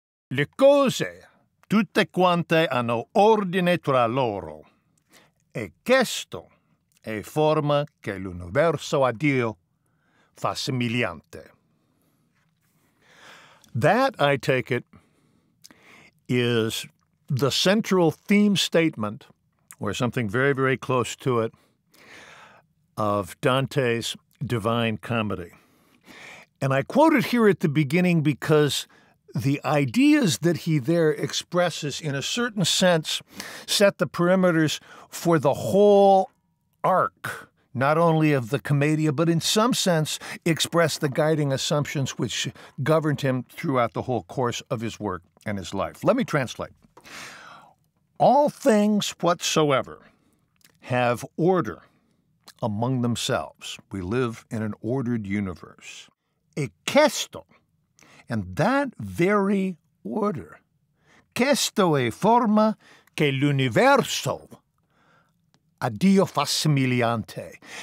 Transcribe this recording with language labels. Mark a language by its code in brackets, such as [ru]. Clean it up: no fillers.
[it] Le cose tutte quante hanno ordine tra loro. E questo è forma che l'universo a Dio fa semigliante. [en] That, I take it, is the central theme statement, or something very, very close to it, of Dante's Divine Comedy. And I quote it here at the beginning because the ideas that he there expresses, in a certain sense, set the perimeters for the whole arc, not only of the Commedia, but in some sense express the guiding assumptions which governed him throughout the whole course of his work and his life. Let me translate. All things whatsoever have order among themselves. We live in an ordered universe. [it] E questo, [en] and that very order, [it] questo è forma che l'universo a Dio fa semigliante.